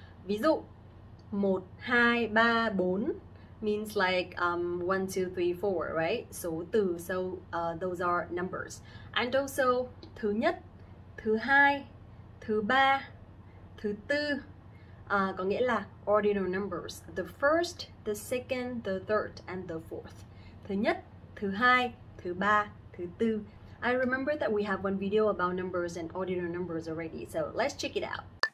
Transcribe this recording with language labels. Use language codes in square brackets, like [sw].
[vi] Ví dụ [en] 1 2 3 4 means like 1 2 3 4, right? [vi] Số từ, [en] so those are numbers. And also [vi] thứ nhất, thứ hai, thứ ba, thứ tư, có nghĩa là [en] ordinal numbers. The first, the second, the third, and the fourth. [vi] Thứ nhất, thứ hai, thứ ba, thứ tư. [en] I remember that we have one video about numbers and ordinal numbers already, so let's check it out.